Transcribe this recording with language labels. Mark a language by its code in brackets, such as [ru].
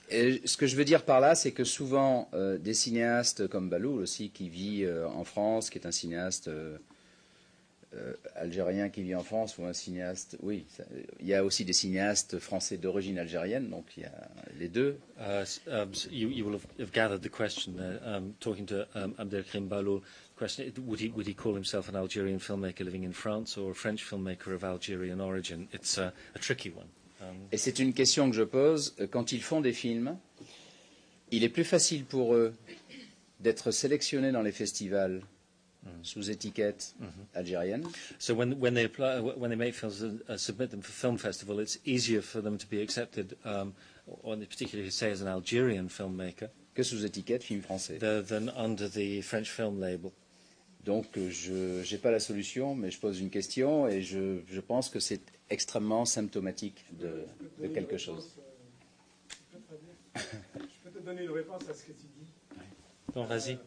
[fr] Et ce que je veux dire par là, c'est que souvent, des cinéastes comme Baloul aussi, qui vit en France, qui est un cinéaste algérien qui vit en France, ou un cinéaste... Oui, il y a aussi des cinéastes français d'origine algérienne, donc il y a les deux. [en] You will have gathered the question there, talking to Abdelkrim Baloul. Question, would he call himself an Algerian filmmaker living in France or a French filmmaker of Algerian origin? It's a tricky one. [fr] Et c'est une question que je pose. Quand ils font des films, il est plus facile pour eux d'être sélectionnés dans les festivals sous étiquette algérienne. [en] So when they make films and submit them for film festival, it's easier for them to be accepted, particularly say as an Algerian filmmaker, [fr] que sous étiquette film français. [en] Than under the French film label. [fr] Donc je n'ai pas la solution, mais je pose une question et je pense que c'est extrêmement symptomatique de quelque chose. Je peux te donner une réponse à ce que tu dis. Oui. Donc, vas-y.